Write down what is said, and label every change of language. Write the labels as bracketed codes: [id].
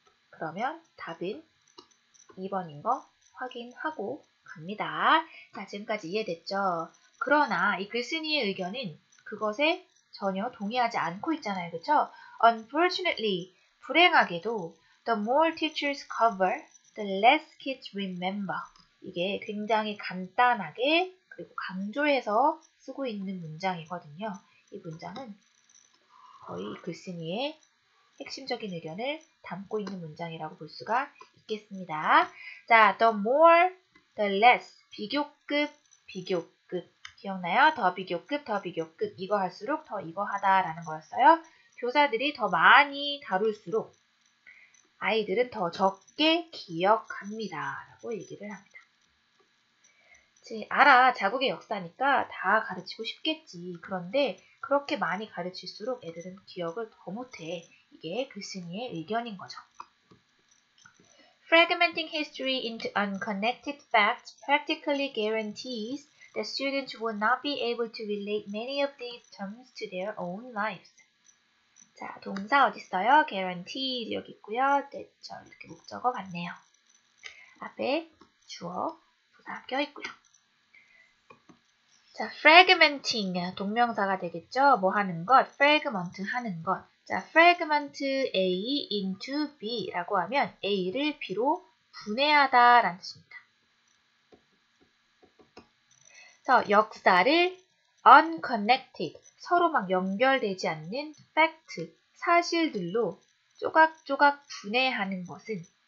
[ko] 그러면 답은 2번인 거 확인하고 갑니다. 자, 지금까지 이해됐죠? 그러나 이 글쓴이의 의견은 그것에 전혀 동의하지 않고 있잖아요. 그렇죠? [en] Unfortunately, [ko] 불행하게도 [en] the more teachers cover, the less kids remember. [ko] 이게 굉장히 간단하게 그리고 강조해서 쓰고 있는 문장이거든요. 이 문장은 거의 글쓴이의 핵심적인 의견을 담고 있는 문장이라고 볼 수가 있겠습니다. 자, the more, the less, 비교급, 비교급. 기억나요? 더 비교급, 더 비교급. 이거 할수록 더 이거 하다라는 거였어요. 교사들이 더 많이 다룰수록 아이들은 더 적게 기억합니다. 라고 얘기를 합니다. 알아. 자국의 역사니까 다 가르치고 싶겠지. 그런데 그렇게 많이 가르칠수록 애들은 기억을 더 못해. 이게 글쓴이의 의견인 거죠. [en] Fragmenting history into unconnected facts practically guarantees that students will not be able to relate many of these terms to their own lives. [ko] 자, 동사 어딨어요? Guaranteed 여기 있고요. 대절 이렇게 목적어 같네요. 앞에 주어 부사 껴 있고요. 자, fragmenting 동명사가 되겠죠? 뭐 하는 것? Fragment 하는 것. 자, fragment A into B라고 하면 A를 B로 분해하다라는 뜻입니다. 그래서 역사를 unconnected 서로 막 연결되지 않는 fact 사실들로 조각조각 분해하는 것은